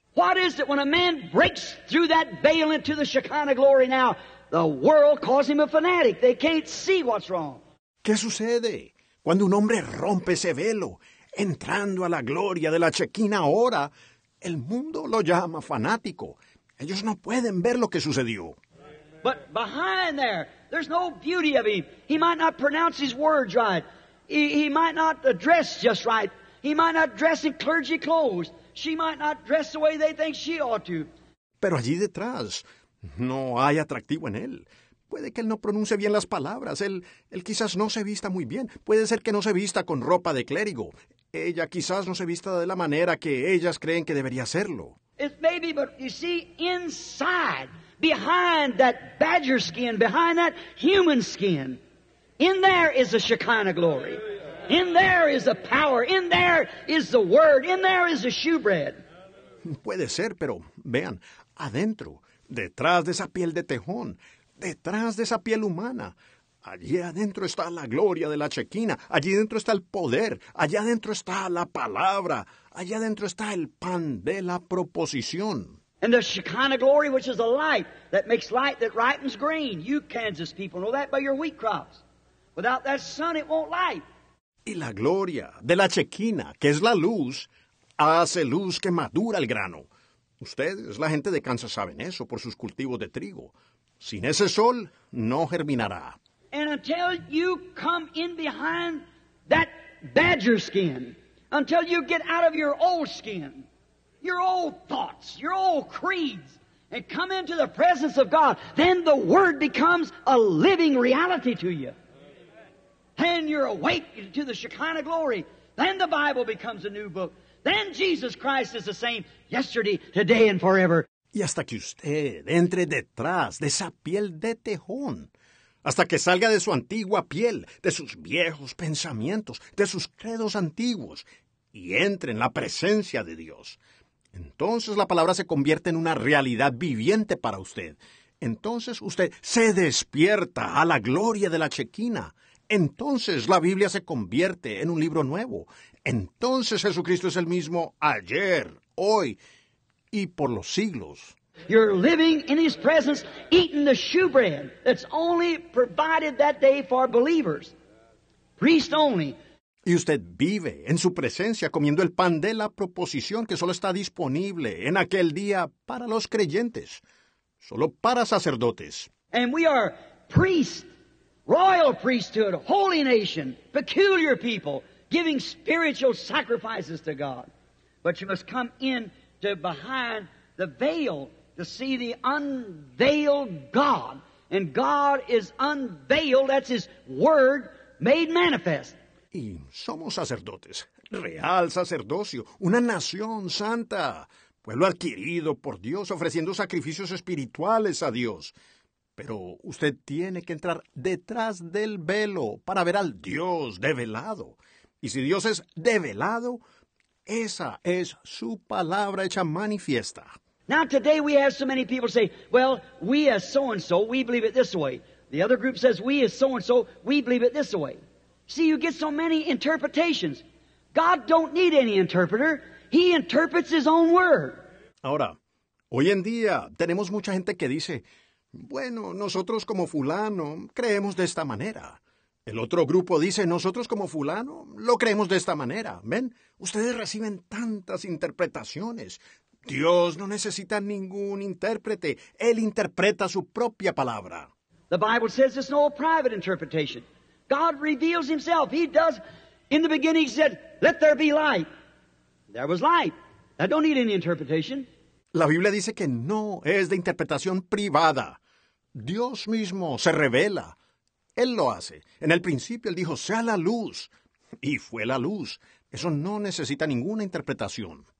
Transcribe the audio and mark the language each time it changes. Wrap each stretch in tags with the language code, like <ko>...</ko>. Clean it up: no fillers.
<en>What is it when a man breaks through that veil into the Shekinah glory now? The world calls him a fanatic. They can't see what's wrong.</en> <es>¿Qué sucede cuando un hombre rompe ese velo? Entrando a la gloria de la Shekinah ahora, el mundo lo llama fanático. Ellos no pueden ver lo que sucedió.</es> <en>But behind there, there's no beauty of him. He might not pronounce his words right. He might not dress just right. He might not dress in clergy clothes. She might not dress the way they think she ought to.</en> <es>Pero allí detrás, no hay atractivo en él. Puede que él no pronuncie bien las palabras. Él quizás no se vista muy bien. Puede ser que no se vista con ropa de clérigo. Ella quizás no se vista de la manera que ellas creen que debería hacerlo.</es> <en>It's maybe, but you see, inside, behind that badger skin, behind that human skin, in there is the Shekinah glory. In there is the power. In there is the word. In there is the shewbread.</en> <es>Puede ser, pero vean, adentro, detrás de esa piel de tejón, detrás de esa piel humana, allí adentro está la gloria de la Shekinah. Allí adentro está el poder. Allá adentro está la palabra. Allá adentro está el pan de la proposición.</es> <en>And the Shekinah glory, which is the light, that ripens grain. You Kansas people know that by your wheat crops. Without that sun, it won't light.</en> <es>Y la gloria de la Shekinah, que es la luz, hace luz que madura el grano. Ustedes, la gente de Kansas, saben eso por sus cultivos de trigo. Sin ese sol, no germinará.</es> <en>And until you come in behind that badger skin, until you get out of your old skin, your old thoughts, your old creeds, and come into the presence of God, then the word becomes a living reality to you. Then you're awake to the Shekinah glory. Then the Bible becomes a new book. Then Jesus Christ is the same yesterday, today, and forever.</en> <es>Y hasta que usted entre detrás de esa piel de tejón, hasta que salga de su antigua piel, de sus viejos pensamientos, de sus credos antiguos, y entre en la presencia de Dios, entonces la palabra se convierte en una realidad viviente para usted. Entonces usted se despierta a la gloria de la Shekinah. Entonces la Biblia se convierte en un libro nuevo. Entonces Jesucristo es el mismo ayer, hoy y por los siglos.</es> <en>You're living in his presence, eating the shewbread that's only provided that day for believers. Priest only.</en> <es>Y usted vive en su presencia comiendo el pan de la proposición que solo está disponible en aquel día para los creyentes, solo para sacerdotes.</es> <en>And we are priests. Royal priesthood, holy nation, peculiar people, giving spiritual sacrifices to God. But you must come in to behind the veil to see the unveiled God. And God is unveiled, that's his word, made manifest.</en> <es>Y somos sacerdotes, real sacerdocio, una nación santa, pueblo adquirido por Dios, ofreciendo sacrificios espirituales a Dios. Pero usted tiene que entrar detrás del velo para ver al Dios develado. Y si Dios es develado, esa es su palabra hecha manifiesta.</es> <en>Now today we have so many people say, well, we as so and so, we believe it this way. The other group says, we is so-and-so, we believe it this way. See, you get so many interpretations. God don't need any interpreter. He interprets His own word.</en> <es>Ahora, hoy en día, tenemos mucha gente que dice, bueno, nosotros como fulano, creemos de esta manera. El otro grupo dice, nosotros como fulano, lo creemos de esta manera. ¿Ven? Ustedes reciben tantas interpretaciones. Dios no necesita ningún intérprete. Él interpreta su propia palabra.</es> <en>The Bible says it's no private interpretation. God reveals Himself. He does. In the beginning, He said, let there be light. There was light. I don't need any interpretation.</en> <es>La Biblia dice que no es de interpretación privada. Dios mismo se revela. Él lo hace. En el principio, Él dijo, sea la luz. Y fue la luz. Eso no necesita ninguna interpretación.</es>